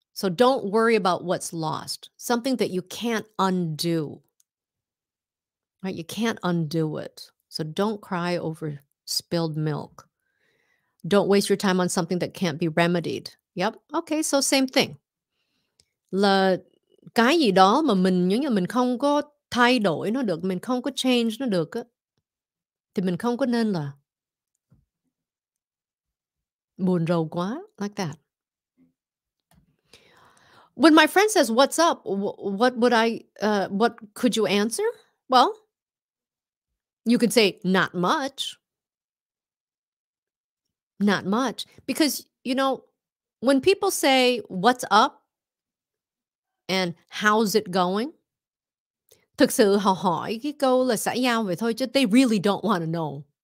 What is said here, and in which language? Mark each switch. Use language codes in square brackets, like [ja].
[en] So don't worry about what's lost. Something that you can't undo. Right, you can't undo it. So don't cry over spilled milk. Don't waste your time on something that can't be remedied. Yep, okay, so same thing. [vi] Cái gì đó mà mình không có thay đổi nó được, mình không có change nó được, thì mình không có nên là buồn rầu quá, [en] like that. When my friend says, what's up, what would I, what could you answer? Well, you could say, not much. Not much. Because, you know, when people say, what's up, and how's it going? [vi] Thực sự họ hỏi cái câu là xã giao vậy thôi chứ [en] they really don't want to know.